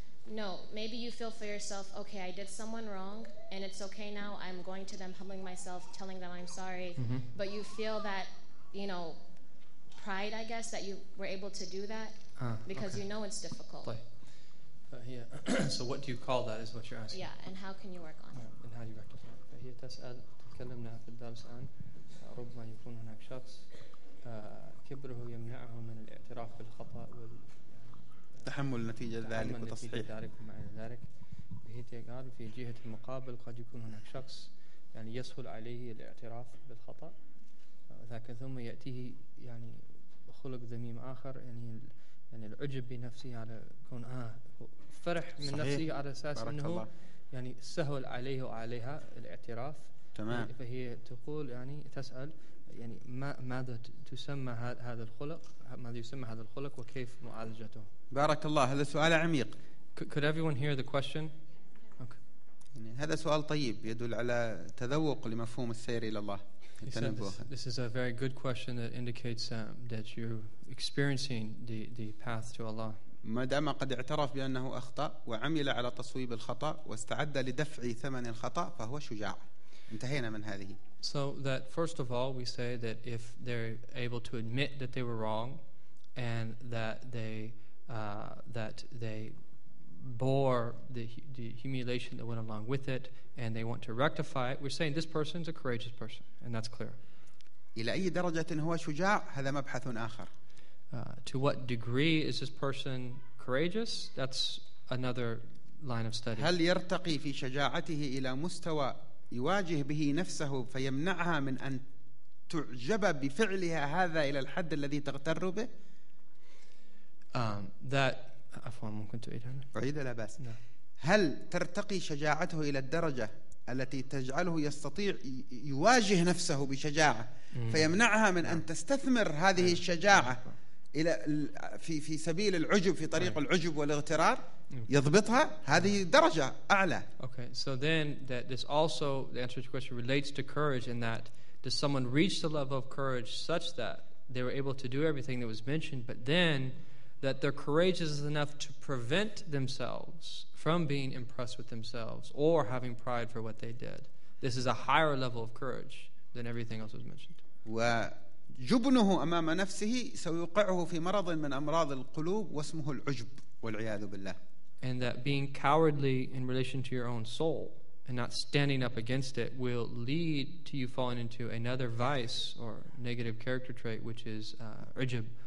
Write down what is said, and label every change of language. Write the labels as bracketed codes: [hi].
[en] No, maybe you feel for yourself, okay, I did someone wrong, and it's okay now, I'm going to them, humbling myself, telling them I'm sorry. Mm-hmm. But you feel that, you know, pride, I guess, that you were able to do that, because okay. You know it's difficult. Play. So what do you call that is what you're asking. Yeah, and how can you work on it? And how do you rectify it? [ar] فهي تسأل, تكلمنا في الدرس عن ربما يكون هناك شخص كبره يمنعه من الاعتراف بالخطأ وال تحمل نتيجة ذلك وتصحيح ذلك ومع ذلك. فهي تقال في جهة المقابل قد يكون هناك شخص يعني يسهل عليه الاعتراف بالخطأ, لكن ثم يأتيه يعني خلق ذميم آخر, يعني العجب بنفسه على كون فرح من نفسه على أساس أنه يعني سهل عليه وعليها الاعتراف. تمام. فهي تقول يعني تسأل يعني ماذا تسمى هذا الخلق, ماذا يسمى هذا الخلق وكيف معالجته. بارك الله, هذا سؤال عميق. [en] Could everyone hear the question? Okay. [ar] يعني هذا سؤال طيب يدل على تذوق لمفهوم السير إلى الله. [en] This is a very good question that indicates that you're experiencing the path to Allah. [ar] ما دام قد اعترف بأنه أخطأ وعمل على تصويب الخطأ واستعد لدفع ثمن الخطأ فهو شجاع. انتهينا من هذه. [en] So that first of all we say that if they're able to admit that they were wrong and that they bore the humiliation that went along with it and they want to rectify it, we're saying this person is a courageous person, and that's clear. [ar] إلى أي درجة هو شجاع هذا مبحث آخر. [en] To what degree is this person courageous? That's another line of study. [ar] هل يرتقي في شجاعته إلى مستوى يواجه به نفسه فيمنعها من أن تعجب بفعلها هذا إلى الحد الذي تغتر به؟ That عفوا ممكن تعيد هنا. عيد لا بأس. هل ترتقي شجاعته إلى الدرجة التي تجعله يستطيع يواجه نفسه بشجاعة فيمنعها من أن تستثمر هذه الشجاعة إلى في سبيل العجب في طريق العجب والاغترار يضبطها؟ هذه درجة أعلى. [en] Okay, so then that this also, the answer to your question relates to courage, in that does someone reach the level of courage such that they were able to do everything that was mentioned, but then that they're courageous enough to prevent themselves from being impressed with themselves or having pride for what they did. This is a higher level of courage than everything else was mentioned. [ar] وجبنه أمام نفسه سيوقعه في مرض من أمراض القلوب واسمه العجب والعياذ بالله. [en] And that being cowardly in relation to your own soul and not standing up against it will lead to you falling into another vice or negative character trait, which is عجب.